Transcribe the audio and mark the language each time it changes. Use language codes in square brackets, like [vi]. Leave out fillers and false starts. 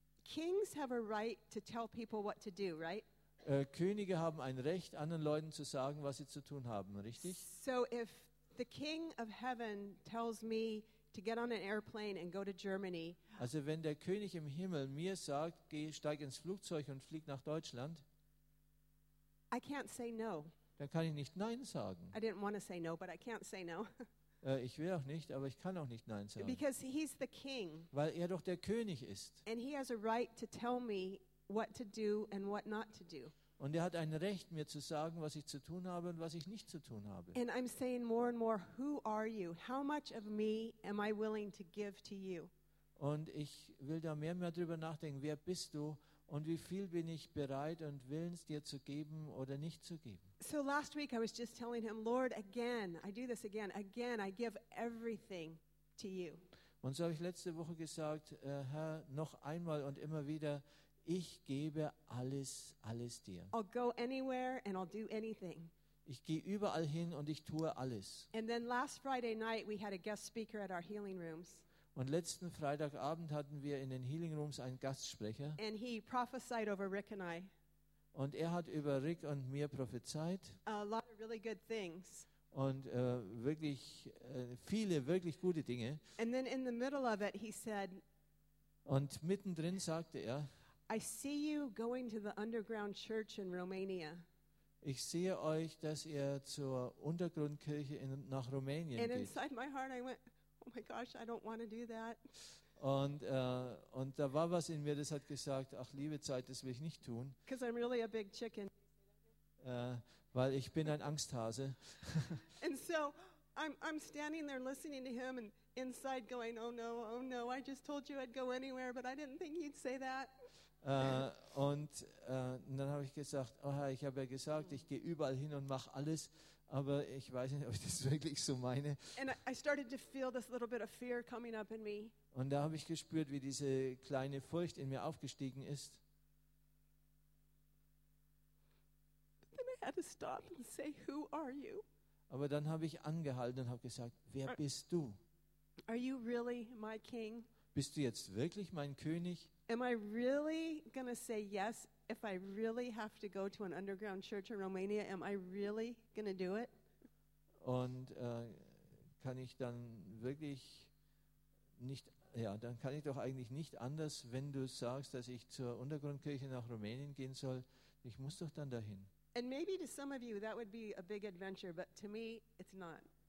[en] Kings have a right to tell people what to do, right? [de] Könige haben ein Recht, anderen Leuten zu sagen, was sie zu tun haben, richtig? [en] So if the King of Heaven tells me to get on an airplane and go to Germany. [de] Also wenn der König im Himmel mir sagt, steig ins Flugzeug und flieg nach Deutschland. [en] I can't say no. [de] Da kann ich nicht Nein sagen. [en] I didn't want to say no, but I can't say no. [de] Ich will auch nicht, aber ich kann auch nicht Nein sagen. [en] Because he's the king. [de] Weil er doch der König ist. [en] And he has a right to tell me what to do and what not to do. [de] Und er hat ein Recht, mir zu sagen, was ich zu tun habe und was ich nicht zu tun habe. [en] And I'm saying more and more, who are you? How much of me am I willing to give to you? [de] Und ich will da mehr und mehr drüber nachdenken, wer bist du und wie viel bin ich bereit und willens, dir zu geben oder nicht zu geben. [en] So last week I was just telling him, Lord, again, I do this again, I give everything to you. [de] Und so habe ich letzte Woche gesagt, Herr, noch einmal und immer wieder, ich gebe alles dir. [en] I'll go anywhere and I'll do anything. [de] Ich gehe überall hin und ich tue alles. [en] And then last Friday night we had a guest speaker at our healing rooms. [de] Und letzten Freitagabend hatten wir in den Healing Rooms einen Gastsprecher. [en] And he prophesied over Rick and I. [de] Und er hat über Rick und mir prophezeit. [en] A lot of really good things. [de] Und wirklich viele wirklich gute Dinge. [en] And then in the middle of it he said, [de] und mittendrin sagte er, [en] I see you going to the underground church in Romania. [de] Ich sehe euch, dass ihr zur Untergrundkirche nach Rumänien geht. [en] And inside my heart I went, oh my gosh, I don't want to do that. [de] Und da war was in mir, das hat gesagt, ach liebe Zeit, das will ich nicht tun. [en] Because I'm really a big chicken. [de] Weil ich bin ein Angsthase. [en] And so I'm standing there listening to him and inside going, oh no, I just told you I'd go anywhere, but I didn't think you'd say that. [de] Und dann habe ich gesagt, oh Herr, ich habe ja gesagt, ich gehe überall hin und mache alles, aber ich weiß nicht, ob ich das wirklich so meine. [en] And I started to feel this little bit of fear coming up in me. [de] Und da habe ich gespürt, wie diese kleine Furcht in mir aufgestiegen ist. [en] But then I had to stop and say, who are you? [de] Aber dann habe ich angehalten und habe gesagt, wer bist du? [en] Are you really my king? [de] Bist du jetzt wirklich mein König? [en] Am I really gonna say yes if I really have to go to an underground church in Romania? Am I really gonna do it? [de] Und kann ich dann wirklich nicht, ja, dann kann ich doch eigentlich nicht anders, wenn du sagst, dass ich zur Untergrundkirche nach Rumänien gehen soll, ich muss doch dann dahin. [en] And maybe to some of you that would be a big adventure, but to me it's not.